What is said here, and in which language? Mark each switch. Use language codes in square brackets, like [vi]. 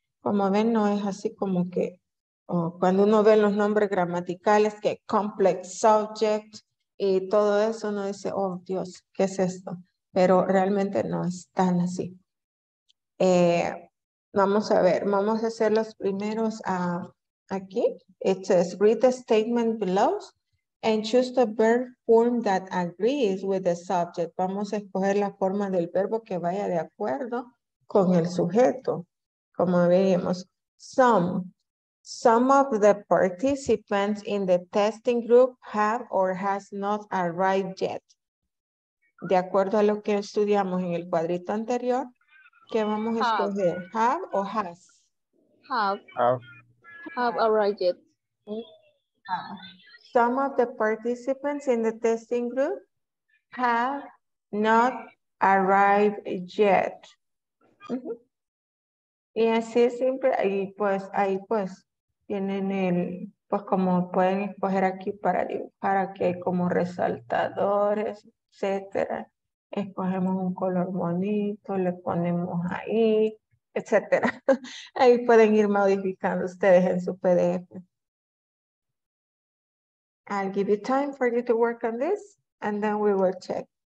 [es] Como ven, no es así como que cuando uno ve los nombres gramaticales, que complex subject y todo eso, uno dice, oh Dios, ¿qué es esto? Pero realmente no es tan así. Vamos a ver, vamos a hacer los primeros aquí. [en] It says, read the statement below and choose the verb form that agrees with the subject. [es] Vamos a escoger la forma del verbo que vaya de acuerdo con el sujeto. Como veíamos, [en] some of the participants in the testing group have or has not arrived yet. [es] De acuerdo a lo que estudiamos en el cuadrito anterior, ¿qué vamos a escoger? [en] Have o has? Have arrived yet. Some of the participants in the testing group have not arrived yet. [es] Y así es siempre. Ahí pues tienen el, pues como pueden escoger aquí para dibujar, aquí hay como resaltadores, etcétera. Escogemos un color bonito, le ponemos ahí, etcétera. Ahí pueden ir modificando ustedes en su PDF. [en] I'll give you time for you to work on this, and then we will check.